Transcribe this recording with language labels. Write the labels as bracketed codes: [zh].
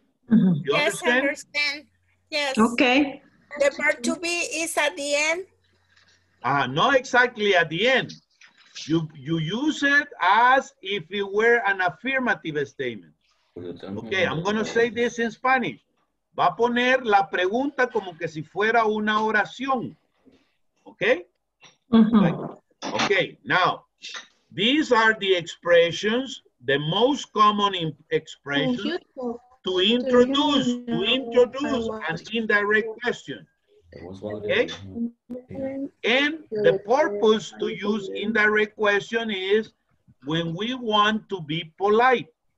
[en] You yes, understand? I understand. Yes. Okay. The part to be is at the end. Not exactly at the end. You use it as if it were an affirmative statement. Okay, I'm going to say this in Spanish. [es] Va a poner la pregunta como que si fuera una oración. [en] Okay? Mm-hmm. Okay, now, these are the expressions, the most common expressions to introduce, an indirect question. Okay? And the purpose to use indirect question is when we want to be polite.